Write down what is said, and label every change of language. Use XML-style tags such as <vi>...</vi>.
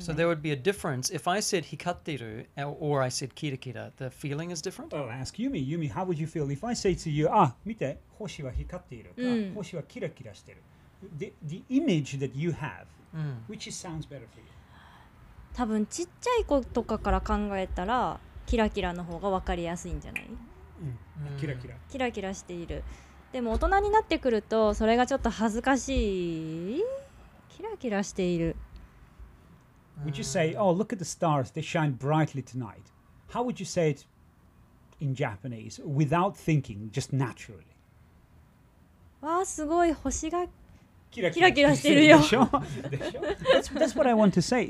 <en>So there would be a difference if I said hikatteru or I said kirikira. The feeling is different. Oh, ask Yumi. Yumi, how would you feel if I say to you,</en> <ja>ah, mite, hoshi wa hikatteru ka, hoshi wa kirakira shiteru.</ja> <en>The image that you have, which sounds better for you?</en> <ja>多分ちっちゃい子とかから考えたらキラキラの方が分かりやすいんじゃない？うん、キラキラ。キラキラしている。でも大人になってくるとそれがちょっと恥ずかしい。キラキラしている。</ja> <en>Would you say, oh, look at the stars, they shine brightly tonight. How would you say it in Japanese without thinking, just naturally?</en> <ja>わあ、すごい星が</ja> <en>That's what I want to say.</en>